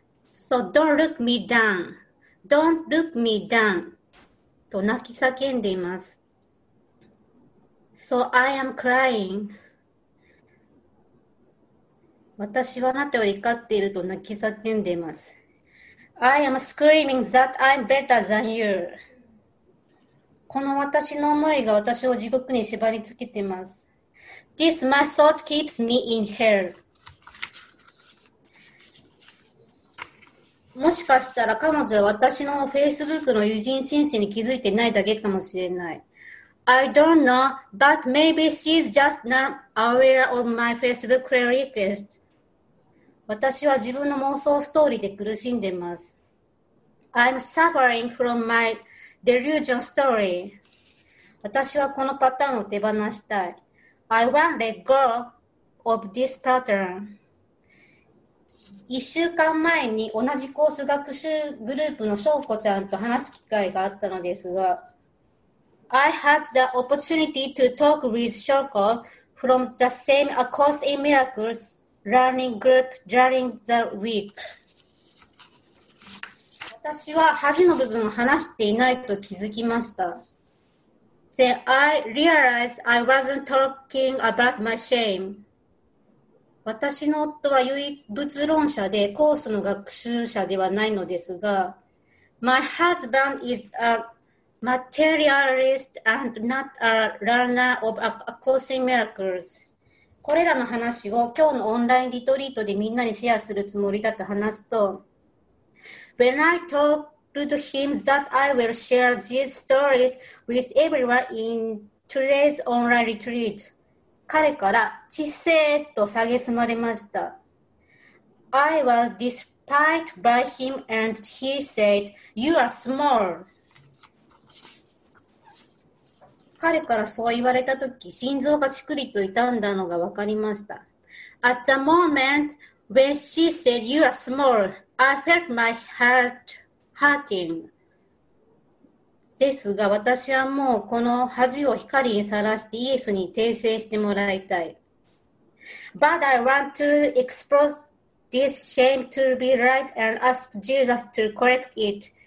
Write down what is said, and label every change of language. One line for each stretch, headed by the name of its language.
English: So don't look me down. Don't look me down.
Japanese: と泣き叫んでいます。
English: So I am crying.
Japanese: 私はあなたを怒っていると泣き叫んでいます。
English: I am screaming that I'm better than you.
Japanese: この私の思いが私を地獄に縛りつけています。
English: This my thought keeps me in hell.
Japanese: もしかしたら彼女は私の Facebook の友人申請に気づいてないだけかもしれない。
English: I don't know, but maybe she's just not aware of my Facebook friend request.
Japanese: 私は自分の妄想ストーリーで苦しんでいます。
English: I'm suffering from my delusion story.
Japanese: 私はこのパターンを手放したい。
English: I won't let go of this pattern.
Japanese: 一週間前に同じコース学習グループの翔子ちゃんと話す機会があったのですが、
English: I had the opportunity to talk with Shoko from the same A Course in Miracles learning group during the week.
Japanese: 私は恥の部分を話していないと気づきました。
English: Then I realized I wasn't talking about my shame.
Japanese: 私の夫は唯一物論者でコースの学習者ではないのですが、
English: My husband is aMaterialist and not a learner of A Course in Miracles.
Japanese: これらの話を今日のオンラインリトリートでみんなにシェアするつもりだと話すと、
English: When I told him that I will share these stories with everyone in today's online retreat,
Japanese: 彼から知性と蔑まれました。
English: I was despised by him and he said, You are small.
Japanese: 彼からそう言われたとき、心臓がチクリと痛んだのが分かりました。
English: At the moment when she said you are small, I felt my heart hurting.
Japanese: ですが、私はもうこの恥を光にさらしてイエスに訂正してもらいたい。
English: But I want to expose this shame to be right and ask Jesus to correct it.